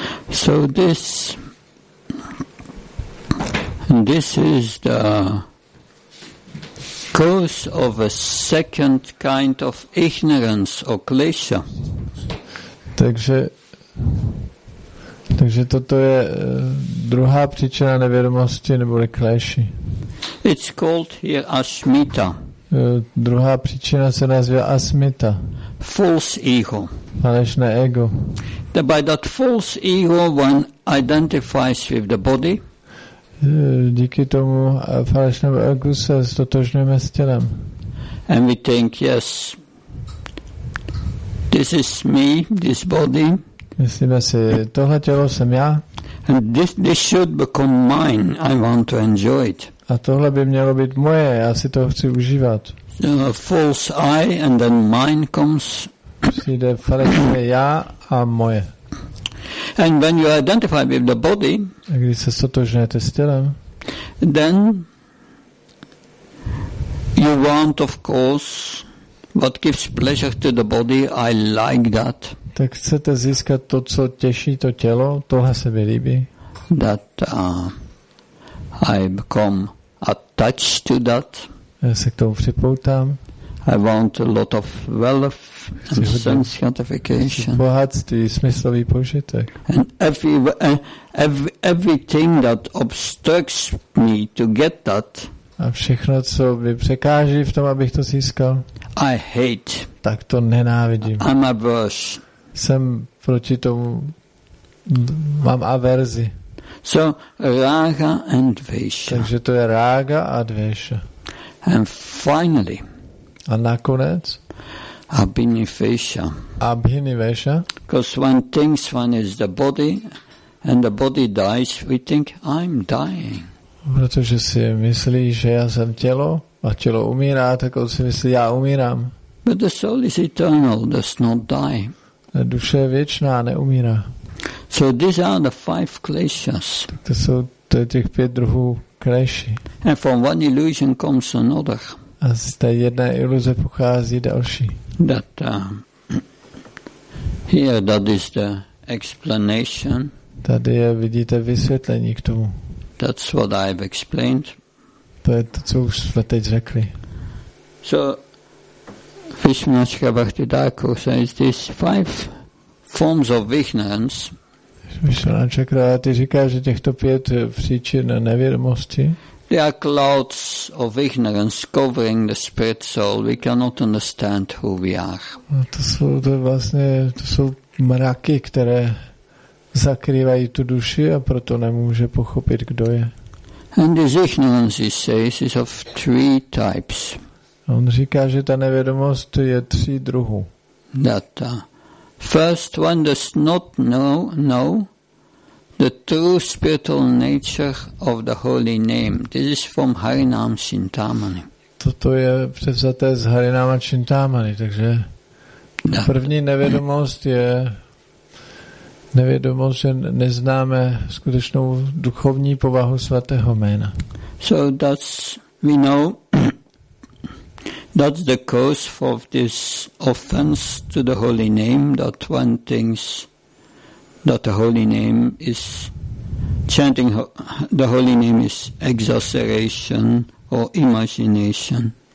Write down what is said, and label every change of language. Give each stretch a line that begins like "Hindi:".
English: So this is the cause of a second kind of ignorance or klesha.
Czech: Takže toto je druhá příčina nevědomosti nebo kleši.
English: It's called here asmita.
Czech: Druhá příčina se nazývá asmita.
English: False ego.
Czech: Falešné ego.
English: By that false ego one identifies with the body.
Czech: Díky tomu falešnému ego se ztotožňujeme s tělem.
English: And we think, yes, this is me, this body.
Czech: Myslíme si, tohle tělo jsem já.
English: And this should become mine. I want to enjoy it.
Czech: A tohle by mělo být moje, já si to chci užívat.
English: False I and then mine comes.
Czech: Přijde falešné já a moje.
English: And when you identify with the body,
Czech: a když se stotožňujete s tělem,
English: then you want, of course, what gives pleasure to the body, I like that.
Czech: Tak chcete získat to, co těší to tělo, tohle se mi líbí.
English: That I become attached to that.
Czech: Já se k tomu připoutám.
English: I want a lot of wealth and sense gratification.
Czech: Bohatství, smyslový požitek.
English: And everything that obstructs me to get that.
Czech: A všechno, co mi překáží v tom, abych to získal.
English: I hate.
Czech: Tak to nenávidím.
English: I'm averse.
Czech: Jsem proti tomu, mám averzi.
English: So raga and dvesha.
Czech: Takže to je raga a dvesha.
English: And finally.
Czech: A nakonec.
English: Abhinivesha.
Czech: Abhinivesha.
English: Because one thinks one is the body, and the body dies, we think I'm dying.
Czech: Protože si myslí, že já jsem tělo, a tělo umírá, tak on si myslí, já umírám.
English: But the soul is eternal, does not die.
Czech: A duše je věčná, neumírá.
English: So these are the five kleshas.
Czech: To jsou těch pět druhů kleši.
English: And from one illusion comes another.
Czech: A z té jedné iluze pochází další.
English: That here that is the explanation.
Czech: Tady je, vidíte, vysvětlení k tomu.
English: That's what I've explained.
Czech: To je to, co už jsme teď řekli.
English: So Vishnuacharya Bhaktidakur says these five forms of ignorance.
Czech: Vishnuacharya ty říká, že těchto pět příčin nevědomosti.
English: There are clouds of ignorance covering the spirit soul. We cannot understand who we are.
Czech: No, to jsou mraky, které zakrývají tu duši a proto nemůže pochopit, kdo je.
English: And this ignorance, he says, is of three types.
Czech: On říká, že ta nevědomost je tří druhů.
English: That first one does not know the true spiritual nature of the holy name. This is from Harinam Chintamani.
Czech: Toto je převzaté z Harinama Chintamani, takže první nevědomost je nevědomost, že neznáme skutečnou duchovní povahu svatého jména.
English: So that's, we know, that's the cause of this offense to the holy name, that one thinks that the holy name is, chanting the holy name is exaggeration or imagination.